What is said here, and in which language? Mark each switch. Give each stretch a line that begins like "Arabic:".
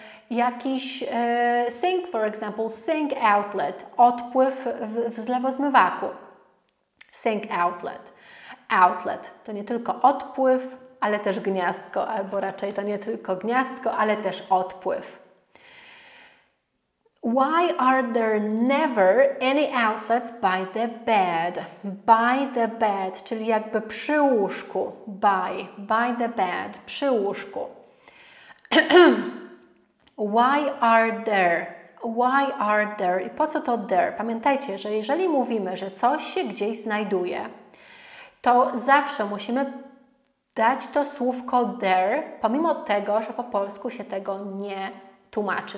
Polish: Jakiś sink,
English: for example,
Polish: sink outlet, odpływ w zlewozmywaku. Sink outlet. Outlet to nie tylko odpływ, ale też gniazdko, albo raczej to nie tylko gniazdko, ale też odpływ.
English: Why are there never any outlets by the bed? By the bed,
Polish: czyli jakby przy łóżku.
English: By the bed,
Polish: przy łóżku.
English: Why are there? Why are there?
Polish: I po co to
English: there?
Polish: Pamiętajcie, że jeżeli mówimy, że coś się gdzieś znajduje, to zawsze musimy dać to słówko there, pomimo tego, że po polsku się tego nie tłumaczy.